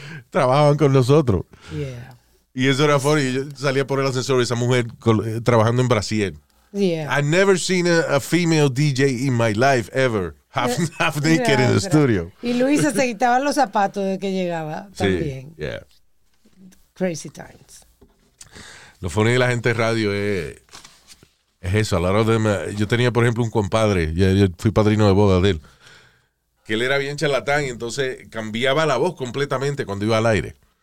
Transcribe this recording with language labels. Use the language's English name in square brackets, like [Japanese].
[Spanish] Trabajaban con nosotros. Yeah. Y eso era funny. Yo salía por el ascensor y esa mujer trabajando en Brasil. Yeah. [English] I've never seen a female DJ in my life ever. Half naked in the studio. [Spanish] Y Luisa se quitaba los zapatos de que llegaba también. Sí. Yeah. [English] Crazy times. [Spanish] Lo funny de la gente de radio es eso, a la hora de... Yo tenía, por ejemplo, un compadre, yo fui padrino de boda de él, que él era bien charlatán y entonces cambiaba la voz completamente cuando iba al aire.